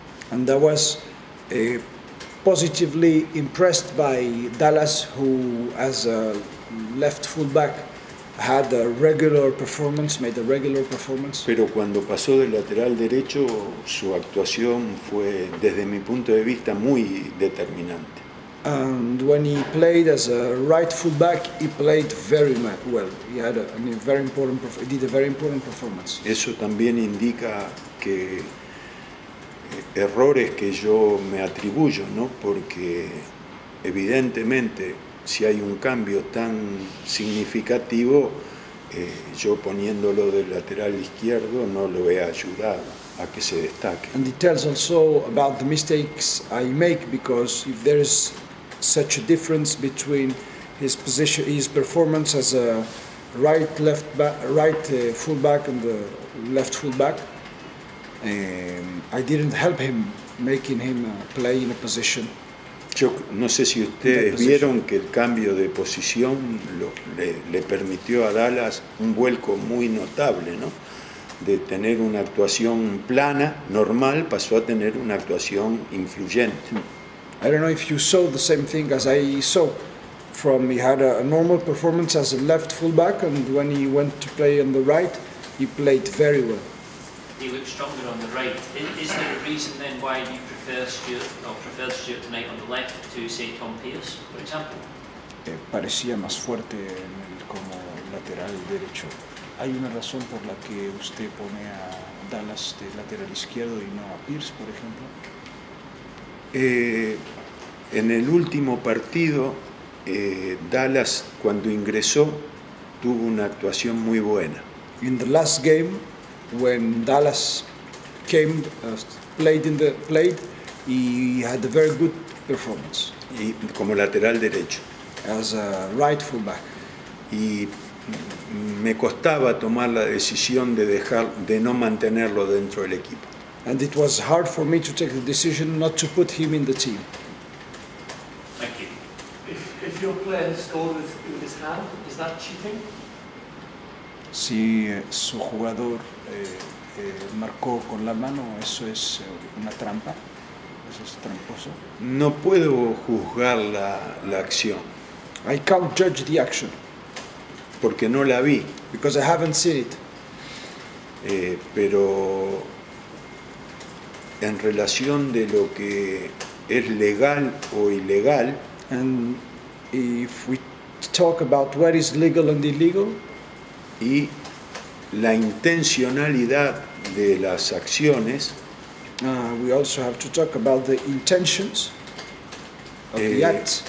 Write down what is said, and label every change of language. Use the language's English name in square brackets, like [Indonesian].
[English] And I was positively impressed by Dallas, who as a left fullback had a regular performance, made a regular performance. [Spanish] Pero cuando pasó del lateral derecho, su actuación fue, desde mi punto de vista, muy determinante. [English] And when he played as a right fullback, he played very well. He had a very important performance. [Spanish] Eso también indica que errores que yo me atribuyo, ¿no? Porque evidentemente si hay un cambio tan significativo, yo poniéndolo del lateral izquierdo no lo he ayudado a que se destaque. [English] And it tells also about the mistakes I make, because if there is such a difference between his position, his performance as a right left back, right fullback and the left fullback, I didn't help him making him play in a position. [Spanish] Yo no sé si ustedes vieron que el cambio de posición le permitió a Dallas un vuelco muy notable, ¿no? De tener una actuación plana, normal, pasó a tener una actuación influyente. [English] I don't know if you saw the same thing as I saw. From he had a normal performance as a left fullback, and when he went to play on the right, he played very well. He looked stronger on the right. Is there a reason then why you preferred Stewart tonight on the left to say Tom Pearce, for example? [Spanish] Parecía más fuerte en el, como lateral derecho. ¿Hay una razón por la que usted pone a Dallas de lateral izquierdo y no a Pearce, por ejemplo? En el último partido, Dallas, cuando ingresó, tuvo una actuación muy buena. [English] In the last game, when Dallas came, played, he had a very good performance. [Spanish] Y como lateral derecho. [English] As a right fullback. [Spanish] Y me costaba tomar la decisión de no mantenerlo dentro del equipo. [English] And it was hard for me to take the decision not to put him in the team. Thank you. If your player scores with his hand, is that cheating? [Spanish] Si su jugador marcó con la mano, eso es una trampa, eso es tramposo. No puedo juzgar la acción. [English] I can't judge the action. [Spanish] Porque no la vi. [English] Because I haven't seen it. [Spanish] Pero en relación de lo que es legal o ilegal. [English] And if we talk about what is legal and illegal. [Spanish] Y la intencionalidad de las acciones. [English] We also have to talk about the intentions of the acts.